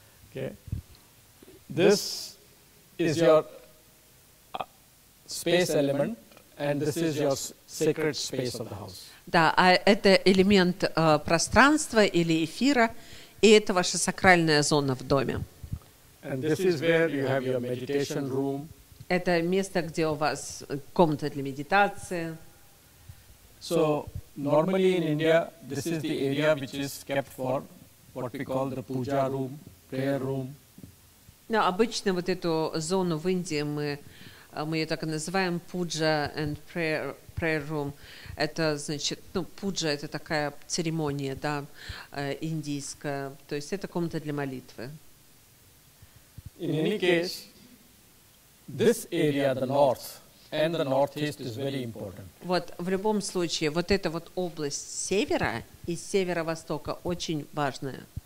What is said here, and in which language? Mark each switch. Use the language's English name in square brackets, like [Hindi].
[English] Okay. This is your space element, and this is your sacred space of the house. [Russian] Да, а это элемент пространства или эфира. И это ваша сакральная зона в доме. [English] And this is where you have your meditation room. [Russian] Это место, где у вас комната для медитации. [English] So normally in India, this is the area which is kept for what we call the puja room, prayer room. [Russian] No, обычно вот эту зону в Индии мы ее так называем [English] puja and prayer room. [Russian] Это значит, ну, пуджа – это такая церемония, да, индийская. То есть это комната для молитвы. [English] In any case, this area, the north and the northeast, is very important. [Russian] Вот, в любом случае, вот эта вот область севера и северо-востока очень важная.